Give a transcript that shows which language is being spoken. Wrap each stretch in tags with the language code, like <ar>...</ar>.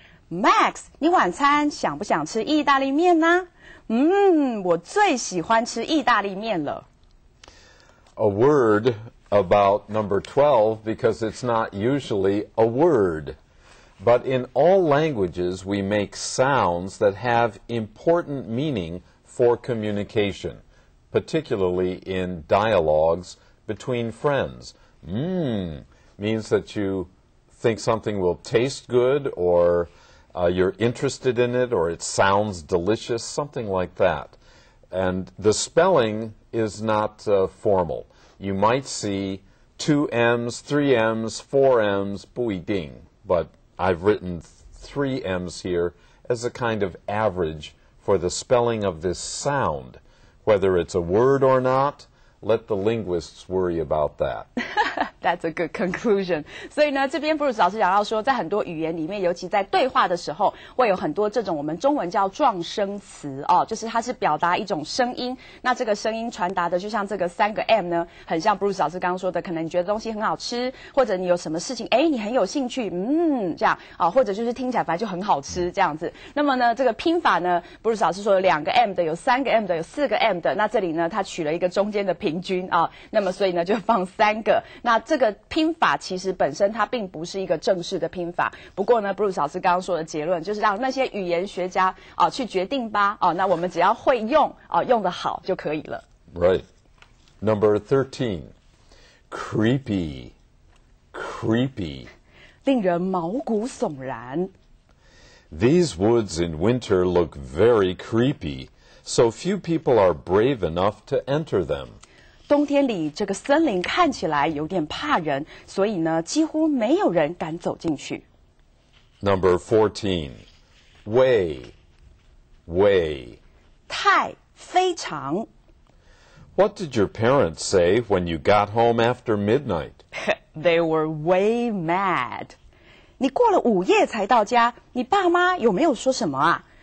<zh>Max, 你晚餐想不想吃意大利面呢？我最喜欢吃意大利面了。</zh> <en>A word about number 12, because it's not usually a word. But in all languages, we make sounds that have important meaning for communication, particularly in dialogues between friends. Mmm means that you think something will taste good, or you're interested in it, or it sounds delicious, something like that. And the spelling is not formal. You might see two M's, three M's, four M's,</en> <zh>不一定,</zh> <en>but I've written three M's here as a kind of average for the spelling of this sound. Whether it's a word or not, let the linguists worry about that. That's a good conclusion.</en> <zh>所以呢，这边 Bruce 老师讲到说，在很多语言里面，尤其在对话的时候，会有很多这种我们中文叫撞声词哦，就是它是表达一种声音。那这个声音传达的，就像这个三个 M 呢，很像 Bruce 老师刚刚说的，可能你觉得东西很好吃，或者你有什么事情，哎，你很有兴趣，嗯，这样啊、哦，或者就是听起来反正就很好吃这样子。那么呢，这个拼法呢 ，Bruce 老师说有两个 M 的，有三个 M 的，有四个 M 的。那这里呢，他取了一个中间的平均啊、哦，那么所以呢，就放三个。那这个拼法其实本身它并不是一个正式的拼法，不过呢 ，Bruce 老师刚刚说的结论就是让那些语言学家啊、去决定吧，哦、那我们只要会用啊、用得好就可以了。</zh> <en>Right, number 13, creepy, creepy,</en> <zh>令人毛骨悚然。</zh> <en>These woods in winter look very creepy, so few people are brave enough to enter them.</en> <zh>冬天里这个森林看起来有点怕人，所以呢，几乎没有人敢走进去。</zh> <en>Number 14, way, way.</en> <zh>太，非常。</zh> <en>What did your parents say when you got home after midnight? They were way mad.</en> <zh>你过了午夜才到家，你爸妈有没有说什么啊？</zh>